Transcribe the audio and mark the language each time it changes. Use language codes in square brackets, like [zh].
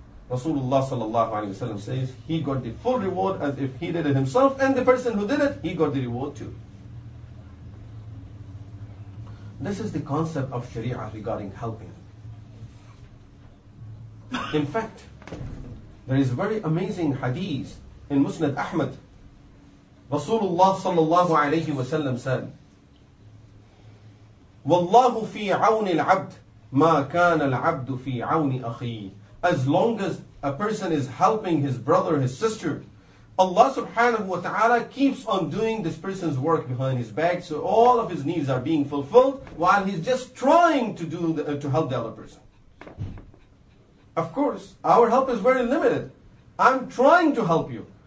[en] Rasulullah sallallahu alayhi wa sallam says, he got the full reward as if he did it himself. And the person who did it, he got the reward too. This is the concept of Sharia regarding helping. In fact, there is a very amazing hadith in Musnad Ahmad. [ar] Rasulullah sallallahu alayhi wa sallam said, وَاللَّهُ فِي عَوْنِ الْعَبْدِ مَا كَانَ الْعَبْدُ فِي عَوْنِ أَخِيهِ. [en] As long as a person is helping his brother, his sister, Allah subhanahu wa ta'ala keeps on doing this person's work behind his back, so all of his needs are being fulfilled while he's just trying to do to help the other person. Of course, our help is very limited. I'm trying to help you.